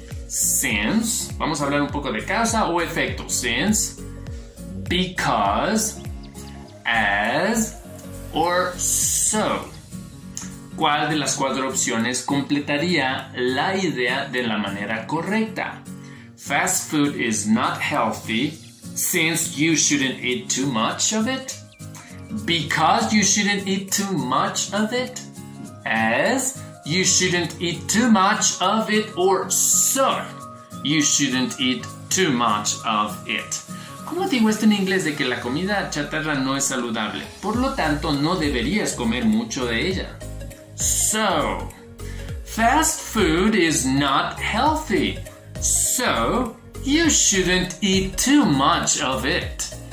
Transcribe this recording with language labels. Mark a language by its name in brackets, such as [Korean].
[Spanish] Since, vamos a hablar un poco de causa o efecto. [English] Since, because, as, or so. [Spanish] ¿Cuál de las cuatro opciones completaría la idea de la manera correcta? [English] Fast food is not healthy since you shouldn't eat too much of it. Because you shouldn't eat too much of it. As you shouldn't eat too much of it. Or so you shouldn't eat too much of it. [Spanish] ¿Cómo digo esto en inglés de que la comida chatarra no es saludable? Por lo tanto, no deberías comer mucho de ella. [English] So, fast food is not healthy. So, you shouldn't eat too much of it.